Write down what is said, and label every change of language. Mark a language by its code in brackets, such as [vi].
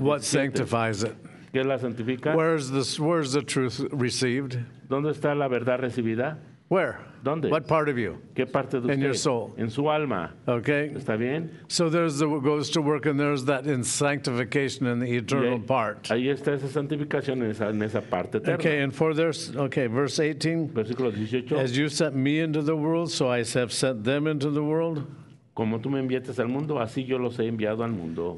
[en] What sanctifies it? [es] ¿Qué la santifica? [en] Where is the truth received? [es] ¿Dónde está la verdad recibida? [en] Where? [es] ¿Dónde? [en] What part of you? [es] ¿Qué parte de usted? [en] In your soul. [es] En su alma. [en] Okay. [es] ¿Está bien? [en] So there's the goes to work and there's that in sanctification in the eternal part. [es] Ahí está esa santificación en esa parte eterna. [en] Okay, and for this, okay, verse 18. [es] Versículo 18. [en] As you sent me into the world, so I have sent them into the world. [es] Como tú me enviaste al mundo, así yo los he enviado al mundo.